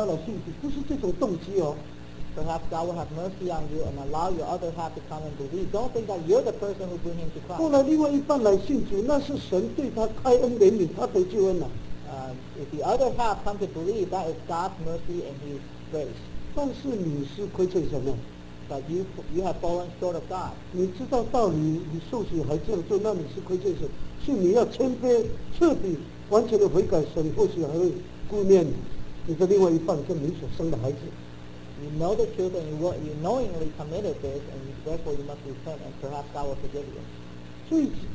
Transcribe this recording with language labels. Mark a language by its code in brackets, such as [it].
[zh] 或许神怜悯啊，可以让另外一半会得到救恩呐，而不是因为你嫁给他或你娶他，就带来他来信主，不是这种动机哦。 [en] Perhaps God will have mercy on you and allow your other half to come and believe. Don't think that you're the person who bring him to Christ. [zh] 后来另外一半来信主，那是神对他开恩怜悯，他得救恩呐。 [en] If the other half come to believe, that is God's mercy and His grace. [zh] 但是你是亏欠神的。 [en] But you have fallen short of God. [zh] 你知道道理，你受洗还这样做，那你是亏欠神。是你要谦卑、彻底、完全的悔改，神或许还会顾念你的另外一半跟你所生的孩子。 [en] You know the truth, and you knowingly committed this, and therefore you must repent, and perhaps God will forgive you.